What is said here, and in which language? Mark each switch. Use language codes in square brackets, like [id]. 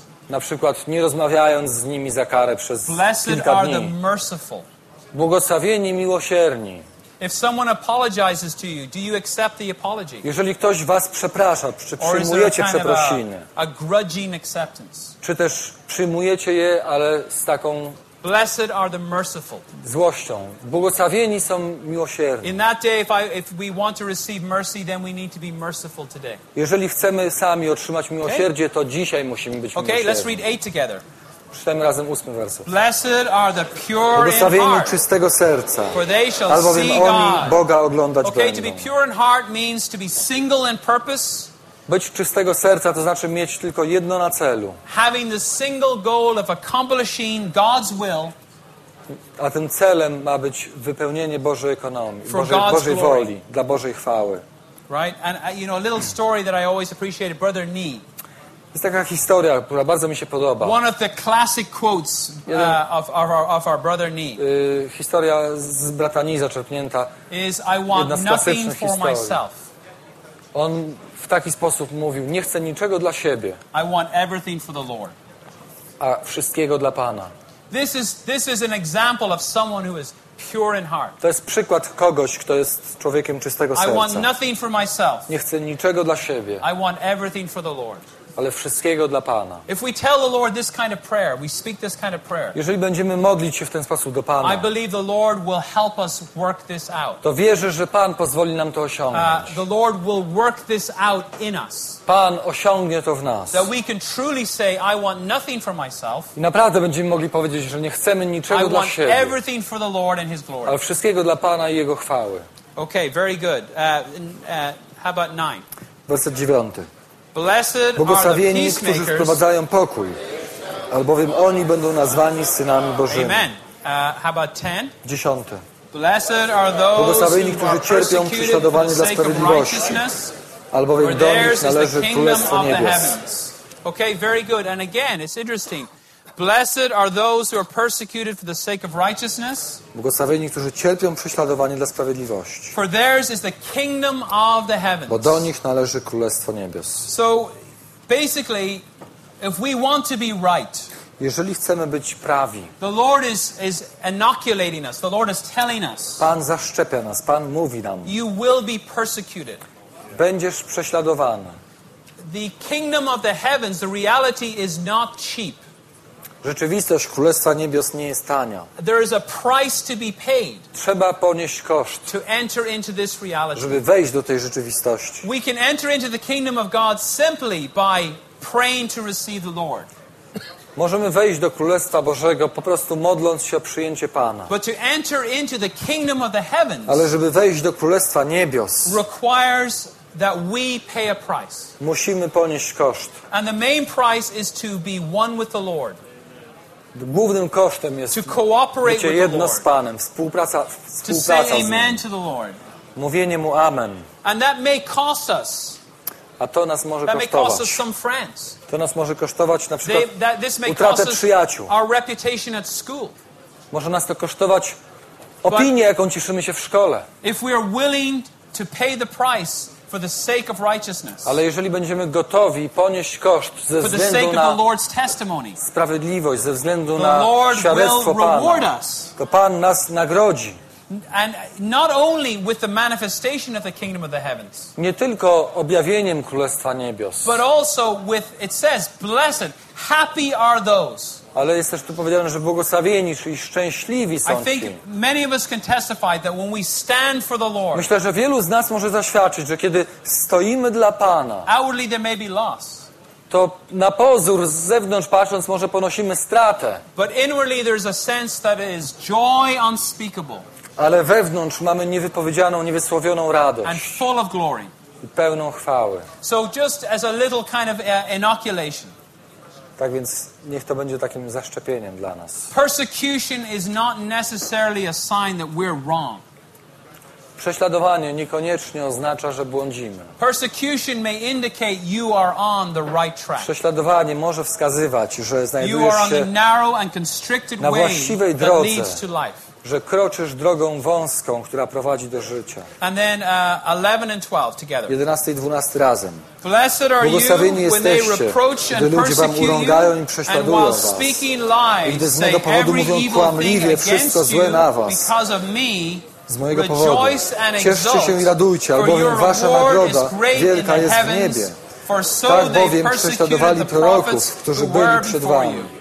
[pl] Na przykład nie rozmawiając z nimi za karę przez kilka dni. Błogosławieni miłosierni. [en] If someone apologizes to you, do you accept the apology? [pl] Jeżeli ktoś was przeprasza, czy przyjmujecie przeprosiny? [en] A grudging acceptance. [pl] Czy też przyjmujecie je, ale z taką [en] blessed are the merciful. [pl] Złością. Błogosławieni są miłosierni. [en] In that day, if we want to receive mercy, then we need to be merciful today. [pl] Jeżeli chcemy sami otrzymać miłosierdzie, to dzisiaj musimy być miłosierni. [en] Okay, let's read 8 together. [pl] Czytamy razem ósmy werset. [en] Blessed are the pure in heart. [pl] Błogosławieni czystego serca. [en] For they shall [pl] albowiem [en] see [pl] oni [en] God. [pl] Boga oglądać [en] okay, [pl] będą. [en] To be pure in heart means to be single in purpose. [pl] Być czystego serca to znaczy mieć tylko jedno na celu. [en] Having the single goal of accomplishing God's will. [pl] A tym celem ma być wypełnienie Bożej ekonomii, Bożej woli, dla Bożej chwały. [en] Right? And you know a little story that I always appreciated, Brother Nee. [pl] Jest taka historia, która bardzo mi się podoba. [en] One of the classic quotes of our brother Nee. [pl] Historia z brata Nee zaczerpnięta. [en] Is I want nothing for myself. [pl] On w taki sposób mówił: nie chcę niczego dla siebie. [en] I want everything for the Lord. [pl] A wszystkiego dla Pana. [en] This is an example of someone who is pure in heart. [pl] To jest przykład kogoś, kto jest człowiekiem czystego serca. [en] I want nothing for myself. [pl] Nie chcę niczego dla siebie. [en] I want everything for the Lord. [pl] Ale wszystkiego dla Pana. [en] If we tell the Lord this kind of prayer, we speak this kind of prayer. [pl] Jeżeli będziemy modlić się w ten sposób do Pana. [en] I believe the Lord will help us work this out. [pl] To wierzę, że Pan pozwoli nam to osiągnąć. [en] The Lord will work this out in us. [pl] Pan osiągnie to w nas. [en] That we can truly say I want nothing for myself. [pl] I naprawdę będziemy mogli powiedzieć, że nie chcemy niczego dla siebie. [en] I want everything for the Lord and his glory. [pl] Ale wszystkiego dla Pana i jego chwały. [en] Okay, very good. How about 9? [pl] Werset 9. Błogosławieni, którzy wprowadzają pokój, albowiem oni będą nazwani synami Bożymi. [en] Amen. How about 10? [pl] 10. [en] Blessed are those [pl] błogosławieni, którzy cierpią prześladowanie dla sprawiedliwości, albowiem do nich należy Królestwo Niebios. [en] Okay, very good. And again, it's interesting. Blessed are those who are persecuted for the sake of righteousness. [pl] Błogosławieni, którzy cierpią prześladowanie dla sprawiedliwości. [en] For theirs is the kingdom of the heavens. [pl] Bo do nich należy Królestwo Niebios. [en] So, basically, if we want to be right, [pl] jeżeli chcemy być prawi, [en] the Lord is inoculating us. The Lord is telling us. [pl] Pan zaszczepia nas. Pan mówi nam. [en] You will be persecuted. [pl] Będziesz prześladowany. [en] The kingdom of the heavens, the reality is not cheap. [pl] Rzeczywistość Królestwa Niebios nie jest tania. [en] There is a price to be paid. [pl] Trzeba ponieść koszt. [en] To enter into this reality. [pl] Żeby wejść do tej rzeczywistości. [en] We can enter into the kingdom of God simply by praying to receive the Lord. [pl] Możemy wejść do Królestwa Bożego po prostu modląc się o przyjęcie Pana. [en] But to enter into the kingdom of the heavens. [pl] Ale żeby wejść do Królestwa Niebios. [en] Requires that we pay a price. [pl] Musimy ponieść koszt. [en] And the main price is to be one with the Lord. [pl] Głównym kosztem jest bycie jedno z Panem, współpraca z Nim, mówienie Mu Amen. [en] And that may cost us. [pl] A to nas może [en] that [pl] kosztować. [en] May cost us some friends. [pl] To nas może kosztować na przykład utratę przyjaciół. [en] Our reputation at school. [pl] Może nas to kosztować opinię, jaką cieszymy się w szkole. [en] If we are willing to pay the price for the sake of righteousness. [pl] Ale jeżeli będziemy gotowi ponieść koszt ze względu na sprawiedliwość, ze względu na świadectwo Pana, to Pan nas nagrodzi. [en] And not only with the manifestation of the kingdom of the heavens. [pl] Nie tylko objawieniem Królestwa Niebios. [en] But also with, it says, blessed, happy are those. [pl] Ale jest też tu powiedziane, że błogosławieni, czyli szczęśliwi są ci. [en] I think many of us can testify that when we stand for the Lord. [pl] Myślę, że wielu z nas może zaświadczyć, że kiedy stoimy dla Pana. [en] Outwardly there may be loss. [pl] To na pozór, z zewnątrz patrząc, może ponosimy stratę. [en] But inwardly there is a sense that it is joy unspeakable. [pl] Ale wewnątrz mamy niewypowiedzianą, niewysłowioną radość. [en] And full of glory. [pl] I pełną chwały. [en] So just as a little kind of inoculation. [pl] Tak więc niech to będzie takim zaszczepieniem dla nas. [en] Persecution is not necessarily a sign that we're wrong. [pl] Prześladowanie niekoniecznie oznacza, że błądzimy. [en] Persecution may indicate you are on the right track. [pl] Prześladowanie może wskazywać, że znajdujesz się na właściwej drodze, że kroczysz drogą wąską, która prowadzi do życia. [en] And then, 11 and 12 together. [pl] 11 i 12 razem. [en] Blessed are you when they reproach and persecute you, and while speaking lies, say every evil thing against you because of me. [pl] Z mojego powodu. Cieszcie się i radujcie, albowiem wasza nagroda wielka jest w niebie. Tak bowiem prześladowali proroków, którzy byli przed wami.